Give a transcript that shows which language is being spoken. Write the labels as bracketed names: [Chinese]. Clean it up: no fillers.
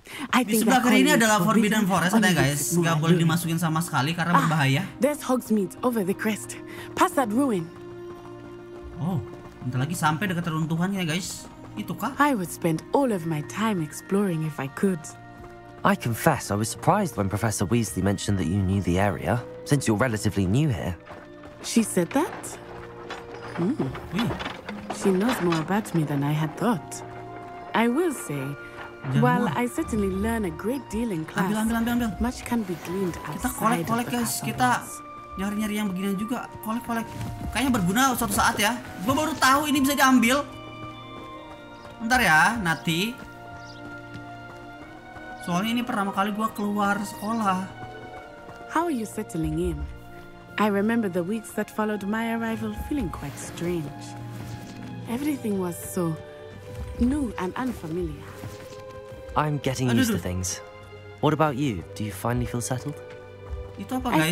[Indonesian] Di sebelah kiri ini adalah Forbidden Forest ada guys, nggak boleh dimasukin sama sekali karena berbahaya. [English] There's Hogsmeade over the crest, past that ruin. [Indonesian] Oh, nanti lagi sampai dekat runtuhan ya guys, itu kah? [English] I would spend all of my time exploring if I could. I confess, I was surprised when Professor Weasley mentioned that you knew the area, since you're relatively new here. She said that? She knows more about me than I had thought. I will say. Well, I certainly learn a great deal in class. [Indonesian] Ambil. [English] Much can be gleaned outside. [Indonesian] Kita kolek-kolek guys, kita nyari-nyari yang beginian juga, kolek-kolek. Kayaknya berguna suatu saat ya. Gua baru tahu ini bisa diambil. Ntar ya, nanti. Soalnya ini pertama kali gua keluar sekolah. [English] How are you settling in? I remember the weeks that followed my arrival feeling quite strange. Everything was so new and unfamiliar. I'm getting used to things. What about you? Do you finally feel settled? [Indonesian] Itu apa, guys?